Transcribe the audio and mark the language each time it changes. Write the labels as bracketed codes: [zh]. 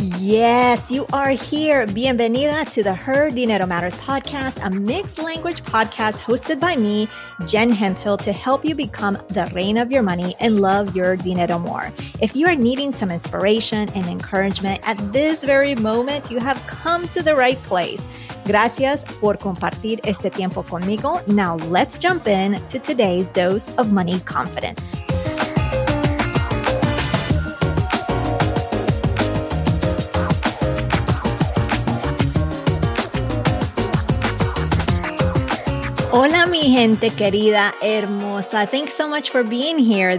[en] Yes, you are here. Bienvenida to the Her Dinero Matters podcast, a mixed language podcast hosted by me, Jen Hemphill, to help you become the reina of your money and love your dinero more. If you are needing some inspiration and encouragement at this very moment, you have come to the right place. [es] Gracias por compartir este tiempo conmigo. [en] Now let's jump in to today's dose of money confidence. [es] Hola, mi gente querida, hermosa. [en] Thanks so much for being here.